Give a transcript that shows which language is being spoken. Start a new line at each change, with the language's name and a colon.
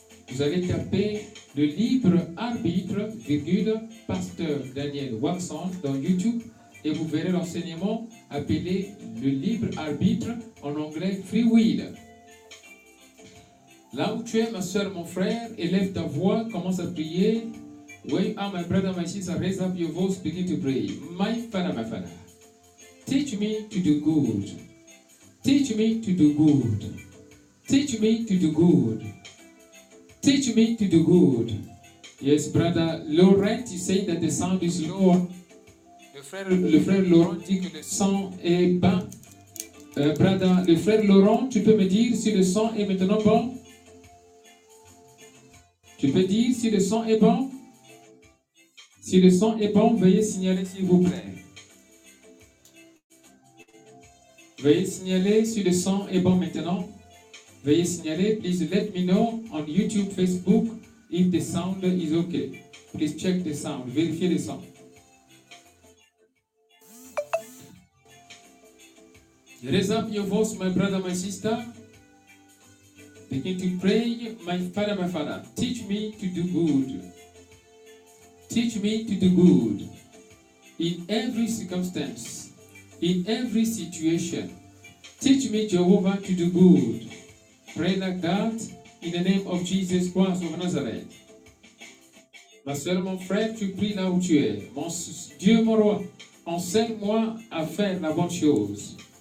French: Vous allez taper le libre arbitre, virgule, pasteur Daniel Waxon dans YouTube et vous verrez l'enseignement appelé le libre arbitre en anglais Free Will. Là où tu es, ma soeur, mon frère, élève ta voix, commence à prier.
English: Where you are, my brother, my sister, raise up your voice, begin to pray. My father, teach me to do good. Teach me to do good. Teach me to do good. Teach me to do good. Yes, brother Laurent, you say that the sound is low.
French: Le frère Laurent dit que le son est bas. Brother, le frère Laurent, tu peux me dire si le son est maintenant bon? Tu peux dire si le son est bon? Si le son est bon, veuillez signaler s'il vous plaît. Veuillez signaler si le son est bon maintenant. Veuillez signaler,
English: please let me know on YouTube, Facebook, if the sound is okay. Please check the sound,
French: vérifiez le son.
English: Raise up your voice, my brother, my sister. Begin to pray, my father, teach me to do good. Teach me to do good. In every circumstance, in every situation, teach me, Jehovah, to do good. Pray like that in the name of Jesus Christ of Nazareth.
French: Ma soeur, mon frère, tu pries là où tu es. Mon Dieu, mon roi, enseigne-moi à faire la bonne chose.